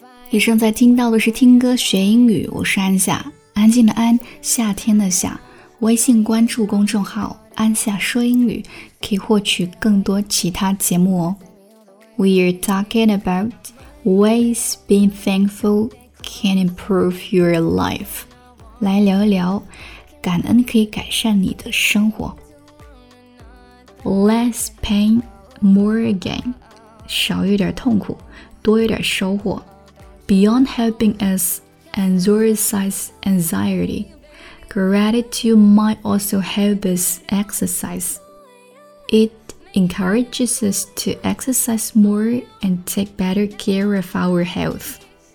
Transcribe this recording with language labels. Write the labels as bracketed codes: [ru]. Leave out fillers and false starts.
[zh] 你正在听到的是听歌学英语，我是安夏，安静的安，夏天的夏。微信关注公众号安夏说英语，可以获取更多其他节目哦。 [en] We are talking about ways being thankful can improve your life， [zh] 来聊一聊感恩可以改善你的生活。 [en] Less pain, more gain， [zh] 少一点痛苦，多一点收获。 [en] Beyond helping us exorcise anxiety, gratitude might also help us exercise. It encourages us to exercise more and take better care of our health.